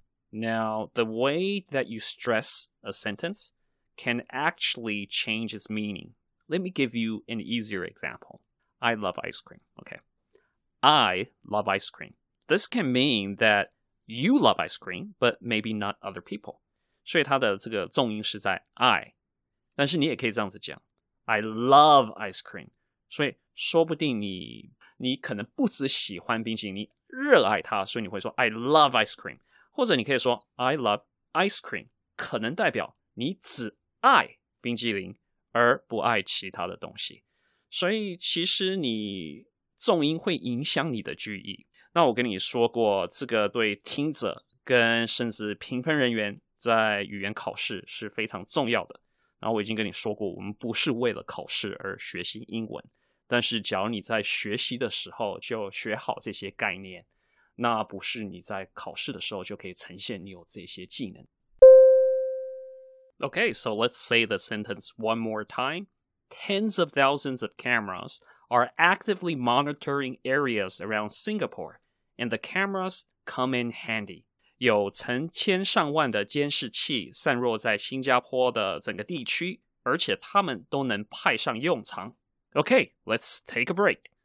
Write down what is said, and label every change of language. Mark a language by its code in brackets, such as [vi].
[en] Now, the way that you stress a sentence can actually change its meaning. Let me give you an easier example. I love ice cream. Okay. I love ice cream. This can mean thatYou love ice cream, but maybe not other people. [zh] 所以它的这个重音是在 I. 但是你也可以这样子讲。 [en] I love ice cream. [zh] 所以说不定你可能不只喜欢冰淇淋，你热爱它，所以你会说 [en] I love ice cream. [zh] 或者你可以说 [en] I love ice cream. [zh] 可能代表你只爱冰淇淋而不爱其他的东西。所以其实你重音会影响你的句意。那我跟你说过，这个对听者跟甚至评分人员在语言考试是非常重要的。然后我已经跟你说过，我们不是为了考试而学习英文，但是假如你在学习的时候就学好这些概念，那不是你在考试的时候就可以呈现你有这些技能。 [en] Okay, so let's say the sentence one more time. Tens of thousands of cameras. Are actively monitoring areas around Singapore, and the cameras come in handy. [zh] 有成千上万的监视器散落在新加坡的整个地区，而且他们都能派上用场。 [en] Okay, let's take a break.